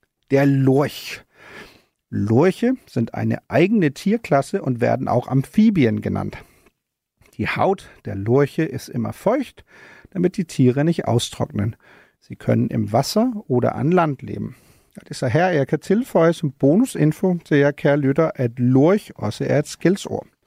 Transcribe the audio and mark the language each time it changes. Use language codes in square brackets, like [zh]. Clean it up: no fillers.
[da] Det er lurch. [de] Lurche sind eine eigene Tierklasse und werden auch Amphibien genannt. Die Haut der Lurche ist immer feucht, damit die Tiere nicht austrocknen. Sie können im Wasser oder an Land leben. [da] Das ist her, jeg kan tilføje som bonusinfo til jer, kære lytter, at lurch også er et skældsord.